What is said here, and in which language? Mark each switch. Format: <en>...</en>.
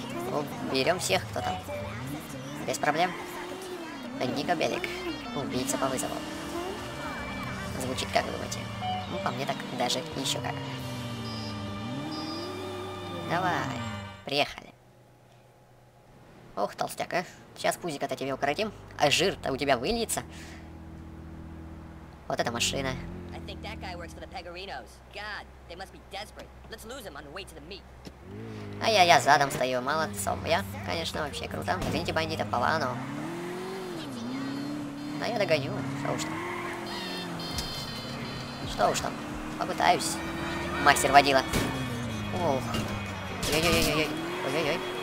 <ru>Ну, берем всех, кто там. Без проблем. Ника Белик. Убийца по вызову. Звучит как, думаете? Ну, по мне так даже еще как. Давай. Приехали. Ох, толстяк, а. Сейчас пузико-то тебе укоротим. А жир-то у тебя выльется. Вот эта машина.</ru> <en>I think that guy works for the Pegorinos. God, they must be desperate. Let's lose him on the way to the meet.</en> <ru>А я задом стою, молодцом. Я, конечно, вообще круто. Извините, бандита, по вану. Но я догоню, что уж там. Что уж там, попытаюсь. Мастер водила. Ох. Ой-ой-ой-ой-ой.</ru>